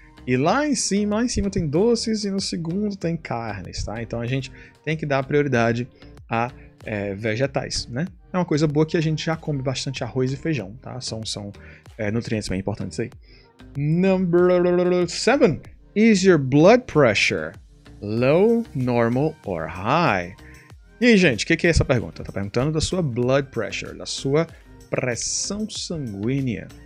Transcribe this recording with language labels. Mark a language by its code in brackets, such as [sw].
[pt] E lá em cima tem doces e no segundo tem carnes, tá? Então a gente tem que dar prioridade a vegetais, né? É uma coisa boa que a gente já come bastante arroz e feijão, tá? São nutrientes bem importantes aí. [en] Number 7. Is your blood pressure low, normal or high? [pt] E aí, gente, o que é essa pergunta? Tá perguntando da sua blood pressure, da sua pressão sanguínea.